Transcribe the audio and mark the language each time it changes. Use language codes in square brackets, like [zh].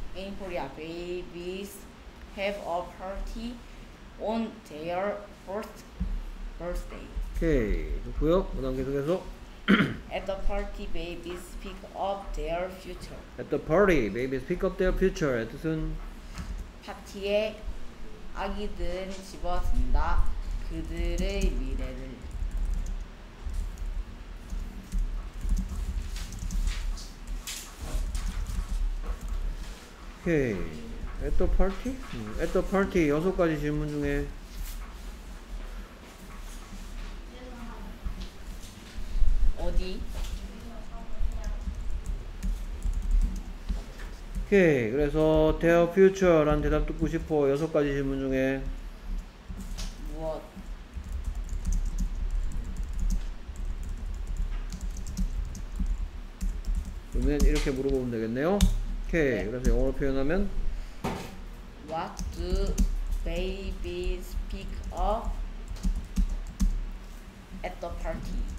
[en] in Korea, babies have a party on their first birthday. [ko] 오케이, 좋고요. 그다음 계속해서 [en] At the party, babies pick up their future. At the party, babies pick up their future. [ko] 뜻은 파티에 아기들은 집어든다 그들의 미래를. [en] 오케이. Okay. At the party? At the party [ko] 여섯 가지 질문 중에. 오케이. 그래서 [en] their future [ko] 란 대답 듣고 싶어. 여섯 가지 질문 중에 [en] what when [ko] 이렇게 물어보면 되겠네요. 오케이. 네. 그래서 영어로 표현하면 [en] what do babies pick up at the party?